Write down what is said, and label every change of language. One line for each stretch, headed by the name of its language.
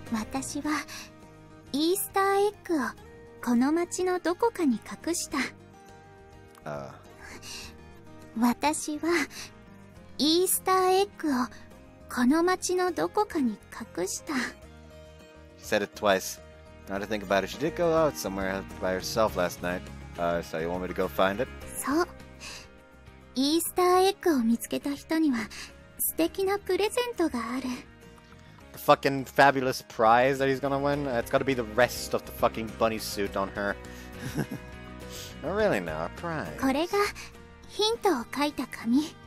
Japanese: 私はイースターエッグをこの町のどこかに隠した。私はイースターエッグをこの町のどこかに隠した。
English: She said it twice. Now to think about it, she did go out somewhere by herself last night. So you want me to go find it?
Japanese: そう。イースターエッグを見つけた人には素敵なプレゼントがある。
English: The fucking fabulous prize that he's gonna win? It's gotta be the rest of the fucking bunny suit on her. Not really, no, a prize.
Japanese: これがヒントを書いた紙。